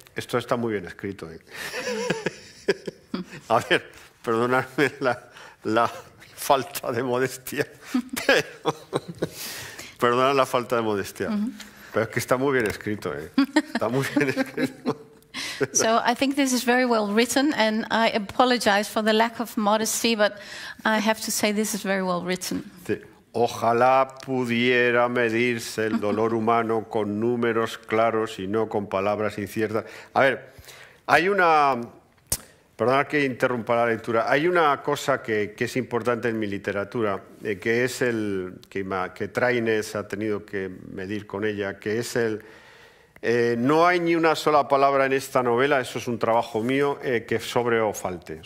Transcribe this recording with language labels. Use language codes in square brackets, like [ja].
[es] Esto está muy bien escrito. ¿Eh? A ver, perdonadme la falta de modestia. Perdonad la falta de modestia. Pero es que está muy bien escrito. ¿Eh? Está muy bien escrito. [en] So I think this is very well written, and I apologize for the lack of modesty, but I have to say this is very well written. [es] Ojalá pudiera medirse el dolor humano con números claros y no con palabras inciertas. A ver, hay una... Perdona que interrumpa la lectura. Hay una cosa que es importante en mi literatura, que es el que Trainés ha tenido que medir con ella, que es el no hay ni una sola palabra en esta novela, eso es un trabajo mío, que sobre o falte.